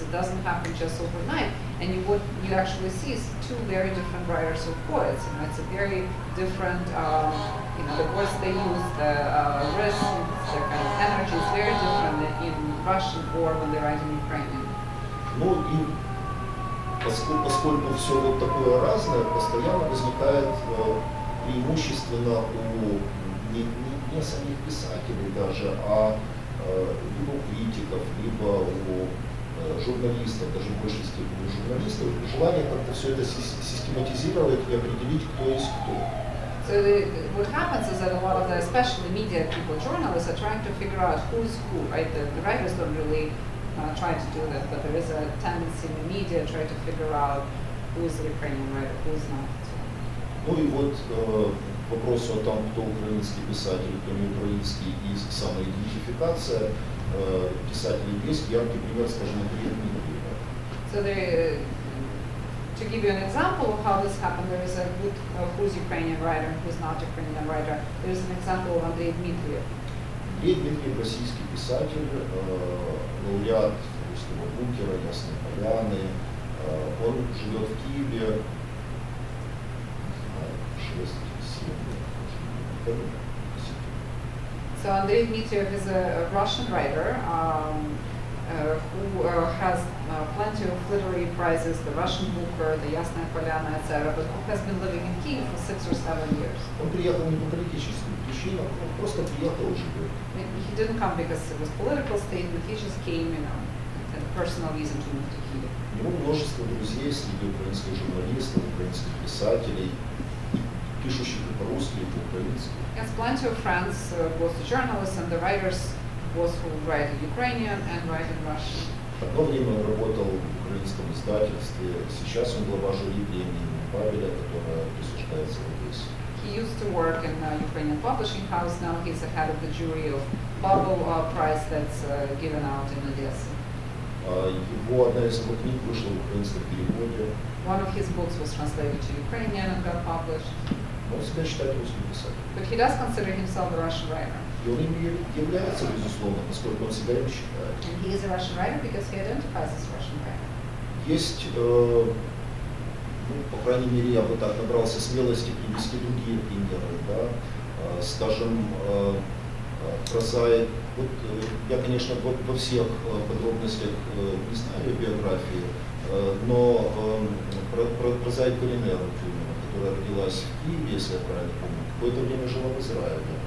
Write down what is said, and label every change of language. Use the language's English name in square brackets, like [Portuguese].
[English] It doesn't happen just overnight. And you actually see it's two very different writers of poets. You know, it's a very different, the words they use, the rhythm, their kind of energy is very different in Russian or when they write in Ukrainian. [Russian] Поскольку все вот такое разное, постоянно возникает преимущественно не самих писателей даже, а либо критиков, либо у журналистов, даже в большей степени журналистов, желание как-то все это систематизировать и определить, кто есть кто. [English] So what happens is that a lot of the, especially media people, journalists, are trying to figure out who is who, right? The writers don't really try to do that, but there is a tendency in the media to try to figure out who is the Ukrainian writer, who is not. [Russian] Ну и вот вопрос о том, кто украинский писатель, кто не украинский, и самоидентификация писателей есть яркий пример, скажем, например, Дмитрия. [English] So to give you an example of how this happened, there is a good who is Ukrainian writer and who is not Ukrainian writer. There is an example of Andrei Dmitriev. [Russian] Андрей Дмитриев – российский писатель, лауреат русского бункера, Ясной Поляны. Он живет в Киеве 6-7 лет. [English] So Andrei Dmitriev is a Russian writer who has plenty of literary prizes, the Russian Booker, the Ясная Поляна, etc., but who has been living in Kyiv for 6 or 7 years. [Russian] Он приехал не по политическим причинам, он просто приехал уже. [English] He didn't come because it was political statement, he just came, a personal reason to move to Kyiv. [Russian] У него множество друзей среди украинских журналистов, украинских писателей, пишущих по-русски и по-украински. [English] He has plenty of friends, both the journalists and the writers, both who write in Ukrainian and write in Russian. [Russian] Одно время он работал в украинском издательстве, сейчас он глава жюри премии Бабеля, которая присуждается в Одессе. [English] He used to work in a Ukrainian publishing house, now he's the head of the jury of Bubble Prize that's given out in Odessa. [Russian] Его одна из его книг вышла в украинском переводе. [English] One of his books was translated to Ukrainian and got published. [Russian] Он себя считает русским писателем. [English] But he does consider himself a Russian writer. [Russian] И он им является, безусловно, поскольку он себя им считает. [English] And he is a Russian writer because he identifies as Russian writer. [Russian] Есть, по крайней мере, я бы так набрался смелости привести другие примеры, да, скажем, прозаик. Вот я, конечно, во всех подробностях не знаю биографии, но прозаик Калинер, которая родилась в Киеве, если я правильно помню, какое-то время жила в Израиле.